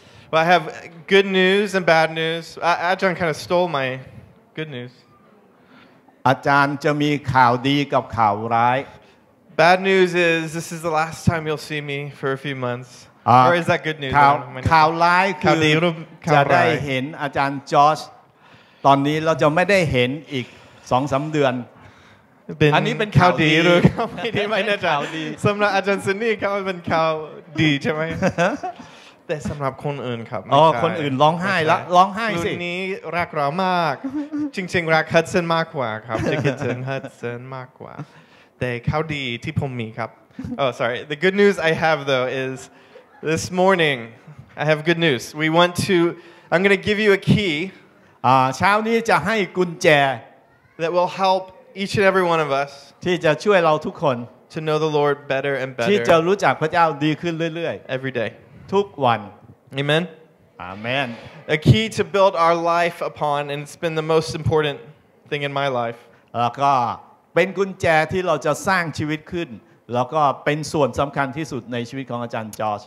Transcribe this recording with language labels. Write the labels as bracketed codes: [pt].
[en] Well, I have good news and bad news. Ajahn kind of stole my good news. [th] Ajahn จะมีข่าวดีกับข่าวร้าย [en] Bad news is this is the last time you'll see me for a few months. Or is that good news? [th] ข่าวร้ายคือจะได้เห็นอาจารย์จอร์จตอนนี้เราจะไม่ได้เห็นอีก 2-3 เดือน อันนี้เป็นข่าวดีหรือข่าวไม่ดีไหมนะจ๊ะสำหรับอาจารย์ซินนี่เขาเป็นข่าวดีใช่ไหมแต่สำหรับคนอื่นครับ อ๋อคนอื่นร้องไห้ละร้องไห้สิ รุ่นนี้รักเรามากจริงๆรักฮัดสันมากกว่าครับจะคิดถึงฮัดสันมากกว่าแต่ข่าวดีที่ผมมีครับ [en] oh sorry the good news I have though is this morning I have good news we want to I'm going to give you a key [th] เช้านี้จะให้กุญแจ [en] that will helpEach and every one of us [th] ที่จะช่วยเราทุกคน [en] to know the Lord better and better [th] ที่จะรู้จักพระเจ้าดีขึ้นเรื่อย [en] ๆ every day [th] ทุกวัน [en] amen amen a key to build our life upon and it's been the most important thing in my life [th] แล้วก็เป็นกุญแจที่เราจะสร้างชีวิตขึ้นแล้วก็เป็นส่วนสำคัญที่สุดในชีวิตของอาจารย์จอร์จ